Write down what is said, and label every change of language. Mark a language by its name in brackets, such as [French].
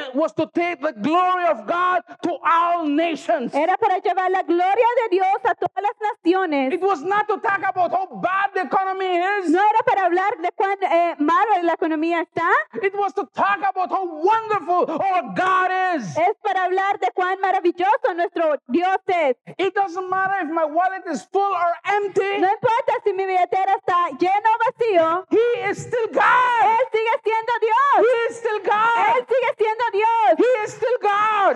[English] was to take the glory of God to all nations. [Spanish] Era para llevar la gloria de Dios a todas las naciones. [English] It was not to talk about how bad the economy is. [Spanish] No era para hablar de cuán malo la economía está. [English] It was to talk about how wonderful our God is. [Spanish] Es para hablar de cuán maravilloso nuestro Dios es. [English] It doesn't matter if my wallet is full or empty. [Spanish] No importa si mi billetera está lleno o vacío. [English] He is still God. [Spanish] Él sigue siendo Dios. [English] He is still God. [Spanish] Él sigue siendo Dios. [English] He is still God.